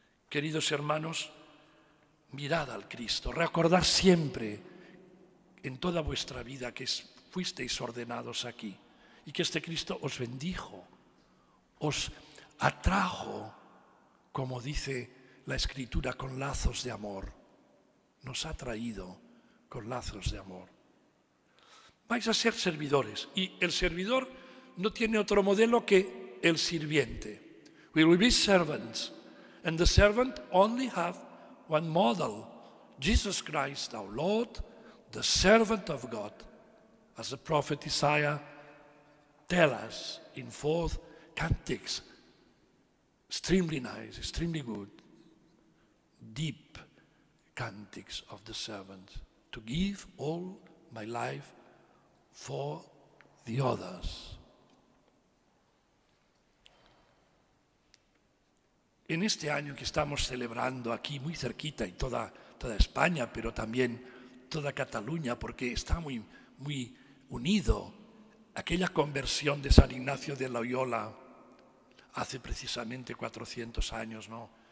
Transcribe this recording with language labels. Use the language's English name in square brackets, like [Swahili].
[Spanish] Queridos hermanos, mirad al Cristo, recordad siempre en toda vuestra vida que fuisteis ordenados aquí y que este Cristo os bendijo, os atrajo, como dice la Escritura, con lazos de amor. Nos ha traído con lazos de amor. Vais a ser servidores, y el servidor no tiene otro modelo que el sirviente. [English] We will be servants, and the servant only have one model, Jesus Christ, our Lord, the servant of God, as the prophet Isaiah tells us in 4th Cantics. Extremely nice, extremely good, deep cantics of the servant, to give all my life for the others. [Spanish] En este año que estamos celebrando aquí, muy cerquita, y toda España, pero también toda Cataluña, porque está muy, muy unido, aquella conversión de San Ignacio de Loyola, hace precisamente 400 años, ¿no?